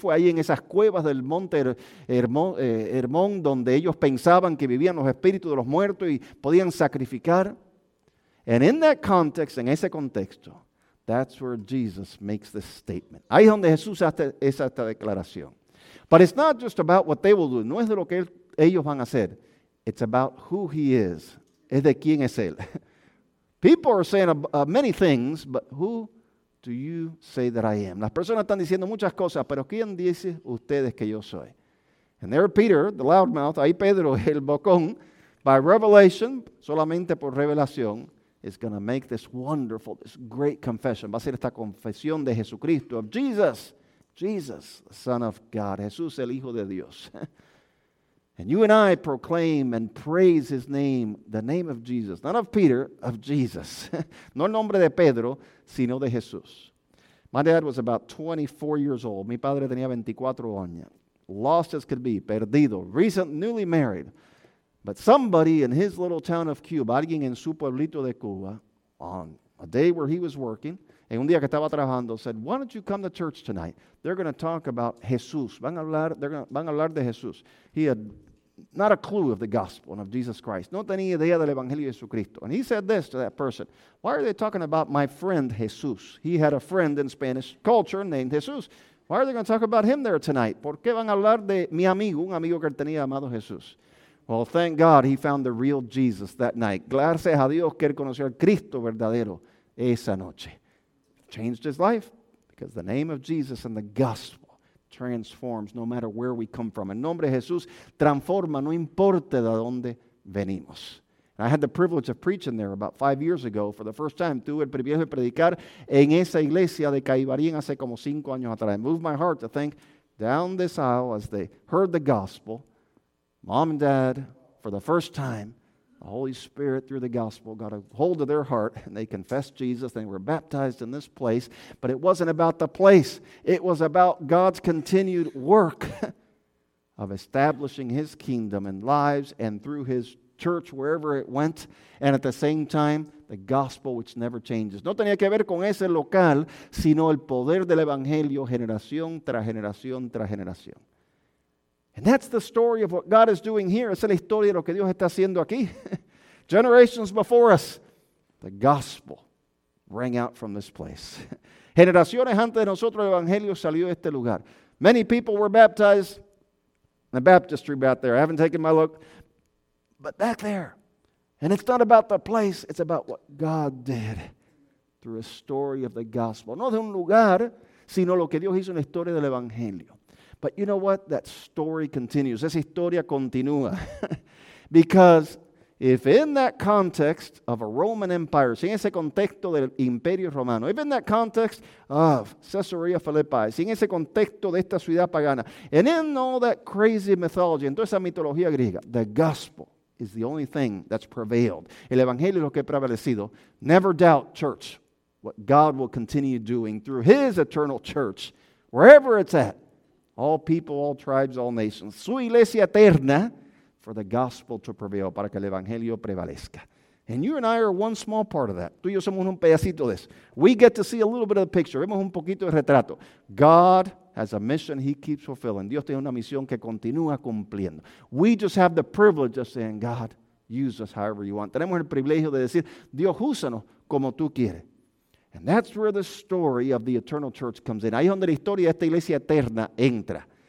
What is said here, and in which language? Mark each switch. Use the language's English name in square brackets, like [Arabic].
[Spanish] Fue ahí en esas cuevas del Monte Hermón donde ellos pensaban que vivían los espíritus de los muertos. Y podían sacrificar. [English] And in that context, [Spanish] en ese contexto, [English] that's where Jesus makes this statement. [Spanish] Ahí es donde Jesús hace esta declaración. [English] But it's not just about what they will do. [Spanish] No es de lo que ellos van a hacer. [English] It's about who he is. [Spanish] Es de quién es él. [English] People are saying many things, but who do you say that I am? [Spanish] Las personas están diciendo muchas cosas, pero ¿quién dice ustedes que yo soy? [English] And there Peter, the loudmouth, [Spanish] ahí Pedro, el bocón, [English] by revelation, [Spanish] solamente por revelación, [English] is going to make this wonderful, this great confession. [Spanish] Va a ser esta confesión de Jesucristo, [English] of Jesus, Jesus, the Son of God, [Spanish] Jesús, el Hijo de Dios. [English] And you and I proclaim and praise his name, the name of Jesus, not of Peter, of Jesus. [Spanish] No el nombre de Pedro, sino de Jesús. [English] My dad was about 24 years old. [Spanish] Mi padre tenía 24 años. [English] Lost as could be, [Spanish] perdido, [English] recent, newly married. But somebody in his little town of Cuba, [Spanish] alguien en su pueblito de Cuba, [English] on a day where he was working, [Spanish] en un día que estaba trabajando, [English] said, why don't you come to church tonight? They're going to talk about Jesús. [Spanish] Van a hablar de Jesús. [English] He had not a clue of the gospel and of Jesus Christ. [Spanish] No tenía idea del Evangelio de Jesucristo. [English] And he said this to that person. Why are they talking about my friend Jesús? He had a friend in Spanish culture named Jesús. Why are they going to talk about him there tonight? [Spanish] ¿Por qué van a hablar de mi amigo, un amigo que tenía llamado Jesús? [English] Well, thank God he found the real Jesus that night. [Spanish] Gracias a Dios que él conoció al Cristo verdadero esa noche. [English] Changed his life because the name of Jesus and the gospel transforms no matter where we come from. [Spanish] El nombre de Jesús transforma no importa de dónde venimos. [English] And I had the privilege of preaching there about 5 years ago for the first time. [Spanish] Tuve el privilegio de predicar en esa iglesia de Caibarín hace como 5 años atrás. [English] It moved my heart to think down this aisle as they heard the gospel. Mom and Dad, for the first time, the Holy Spirit through the gospel got a hold of their heart and they confessed Jesus. They were baptized in this place, but it wasn't about the place. It was about God's continued work of establishing his kingdom and lives and through his church wherever it went. And at the same time, the gospel which never changes. [Spanish] No tenía que ver con ese local, sino el poder del evangelio generación tras generación tras generación. [English] And that's the story of what God is doing here. [Spanish] Esa es la historia de lo que Dios está haciendo aquí. [English] Generations before us, the gospel rang out from this place. [Spanish] Generaciones antes de nosotros, el evangelio salió de este lugar. [English] Many people were baptized in the baptistry back there. I haven't taken my look. But back there. And it's not about the place. It's about what God did through a story of the gospel. [Spanish] No de un lugar, sino lo que Dios hizo en la historia del evangelio. [English] But you know what? That story continues. [Spanish] Esa historia continúa. [English] Because if in that context of a Roman Empire, [Spanish] si en ese contexto del Imperio Romano, [English] if in that context of Caesarea Philippi, [Spanish] si en ese contexto de esta ciudad pagana, [English] and in all that crazy mythology, [Spanish] en toda esa mitología griega, [English] the gospel is the only thing that's prevailed. [Spanish] El Evangelio es lo que ha prevalecido. [English] Never doubt, church, what God will continue doing through his eternal church, wherever it's at. All people, all tribes, all nations. [Spanish] Su iglesia eterna [English] for the gospel to prevail, [Spanish] para que el evangelio prevalezca. [English] And you and I are one small part of that. Tú y yo somos un pedacito de eso. We get to see a little bit of the picture. [Spanish] Vemos un poquito de retrato. [English] God has a mission he keeps fulfilling. Dios tiene una misión que continúa cumpliendo. We just have the privilege of saying, God, use us however you want. [Spanish] Tenemos el privilegio de decir, Dios, úsanos como tú quieres. [English] And that's where the story of the eternal church comes in. [Spanish] Ahí es donde la historia de esta iglesia eterna entra.